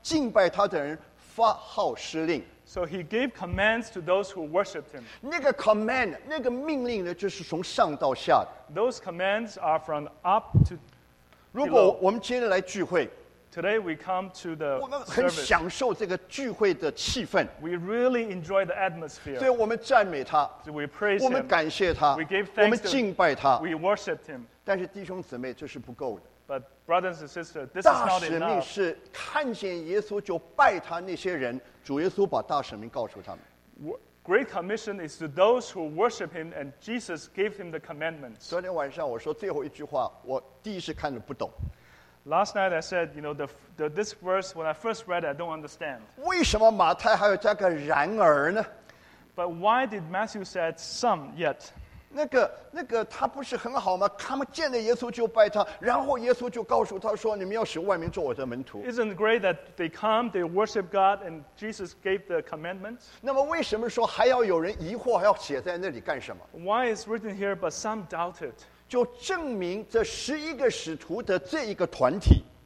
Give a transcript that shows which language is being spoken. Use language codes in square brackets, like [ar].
[zh] 所以他必然会向他敬拜他的人发号施令。 [en] So He gave commands to those who worshipped Him. [zh] 那个 command, 那个命令呢, 就是从上到下的。 [en] Those commands are from up to below. [zh] 如果我们今天来聚会, [en] Today we come to the service. [zh] 我们很享受这个聚会的气氛。 [en] We really enjoy the atmosphere. [zh] 所以我们赞美他, [en] so we praise Him. [zh] 我们感谢他, [en] we give thanks [zh] 我们敬拜他, [en] to Him. We worshipped Him. [zh] 但是弟兄姊妹, 这是不够的。 [en] But brothers and sisters, this is not enough. [zh] 大使命是看见耶稣就拜他那些人, 主耶稣把大使命告诉他们。 [en] Great Commission is to those who worship Him and Jesus gave Him the commandments. [zh] 昨天晚上我说最后一句话, 我第一次看的不懂。 [en] Last night I said, you know, this verse, when I first read it, I don't understand. [zh] 为什么马太还有加个然而呢? [en] But why did Matthew say some yet? [zh] 那个他不是很好吗? 他们见了耶稣就拜他, 然后耶稣就告诉他说, 你们要使万民做我的门徒。 [en] Isn't it great that they come, they worship God, and Jesus gave the commandments? [zh] 那么为什么说还要有人疑惑, 还要写在那里干什么? [en] Why is written here, but some doubted? [zh] 就证明这11个使徒的这一个团体,